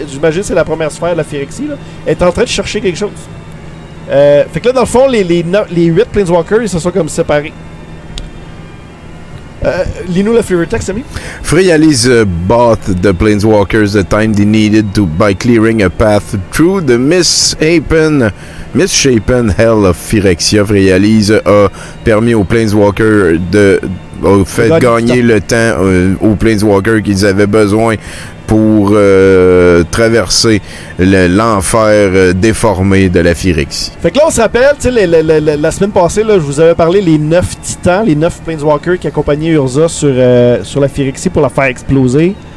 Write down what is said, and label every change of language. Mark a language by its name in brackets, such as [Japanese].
[French] J'imagine c'est la première sphère de la Phyrexie, là. Elle est en train de chercher quelque chose. Fait que là, dans le fond, les 8 Planeswalkers, ils se sont comme séparés. Lis-nous le flavor text, Sammy. [English] Freyalis bought the planeswalkers the time they needed to by clearing a path through the misshapen hell of Phyrexia. [French] Freyalis a permis aux planeswalkers de fait gagner le temps aux planeswalkers qu'ils avaient besoin pour traverser l'enfer déformé de la Phyrexie. Fait que là, on se rappelle, tu sais, la semaine passée, là, je vous avais parlé les 9 titans, les 9 planeswalkers qui accompagnaient Urza sur la Phyrexie pour la faire exploser.